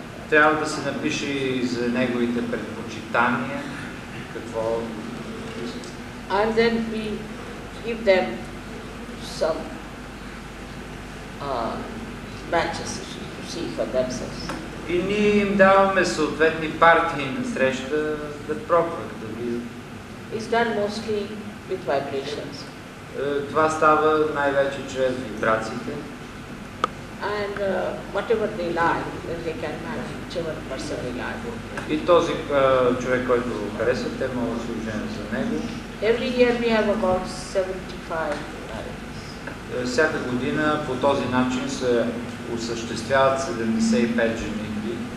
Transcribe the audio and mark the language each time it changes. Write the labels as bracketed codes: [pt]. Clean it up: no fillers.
[bg] Трябва да се напише за неговите предпочитания, какво. [en] And then we give them some matches to see for themselves. [bg] И ние им даваме съответни партии на среща да пробват, да видят. [en] It's done mostly with vibrations. [bg] Това става най-вече чрез вибрациите. [en] And whatever they like, they can marry whichever person they like. [bg] И този човек, който хареса, те могат да се оженят за него. [en] Every year we have about 75 marriages. [bg] Всяка година по този начин се осъществяват 75 женитби.